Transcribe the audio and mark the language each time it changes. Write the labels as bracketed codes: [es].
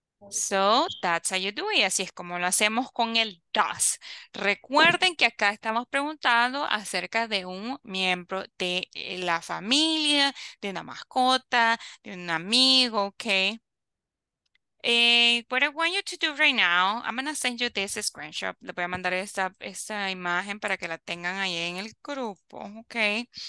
[en] So, that's how you do it. [es] Así es como lo hacemos con el does. Recuerden que acá estamos preguntando acerca de un miembro de la familia, de una mascota, de un amigo, ¿ok? [en] What I want you to do right now, I'm going to send you this screenshot. [es] Le voy a mandar esta imagen para que la tengan ahí en el grupo, ¿ok?